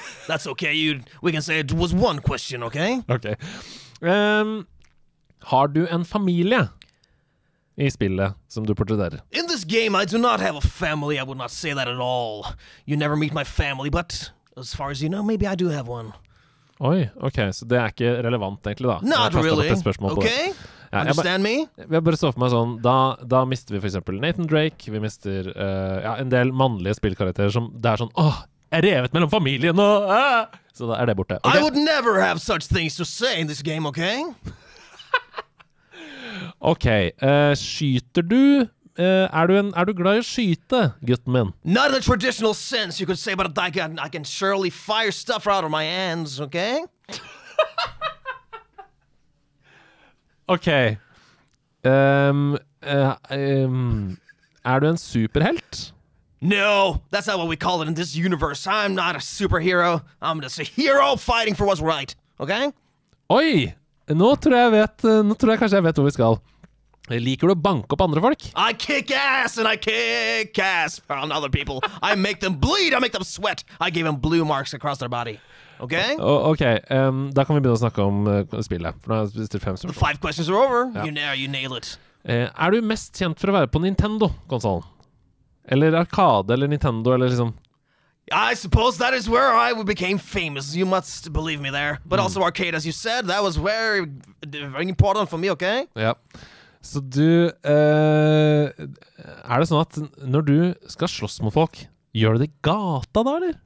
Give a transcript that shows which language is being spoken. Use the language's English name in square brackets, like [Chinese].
[English] That's okay, we can say it was one question, okay? [Norwegian] Ok. Har du en familie i spillet som du portretterer? [English] In this game, I do not have a family. I would not say that at all. You never meet my family, but as far as you know, maybe I do have one. [Norwegian] Oi, ok, så det ikke relevant egentlig da. [English] Not really, okay? Ja, understand me? [Norwegian] Vi har bare stått for meg sånn, da mister vi for eksempel Nathan Drake, vi mister en del mannlige spillkarakterer som det sånn, åh, jeg revet mellom familien og... Så da det borte. [English] Okay? I would never have such things to say in this game, okay? [Norwegian] Ok, skyter du... Er du glad i å skyte, gutten min? [English] Not in the traditional sense, you could say, but I can surely fire stuff out of my hands, okay? [Norwegian] Okay. Er du en superhelt? [English] No, that's not what we call it in this universe. I'm not a superhero. I'm just a hero fighting for what's right, okay? [Norwegian] Oi, nå tror jeg kanskje jeg vet hvor vi skal. Liker du å banke opp andre folk? [English] I kick ass and I kick ass on other people. I make them bleed, I make them sweat. I give them blue marks across their body. Okay? [Norwegian] Okay, da kan vi begynne å snakke om spillet. For nå har vi stilt fem spørsmål. [English] The five questions are over. Ja. You nail it. [Norwegian] Er du mest kjent for å være på Nintendo-konsolen? Eller arcade, eller Nintendo, eller liksom... [English] I suppose that is where I became famous. You must believe me there. But also arcade, as you said, that was very, very important for me, okay? [Norwegian] Ja. Så du, er det sånn at når du skal slåss mot folk, gjør du det gata da, eller?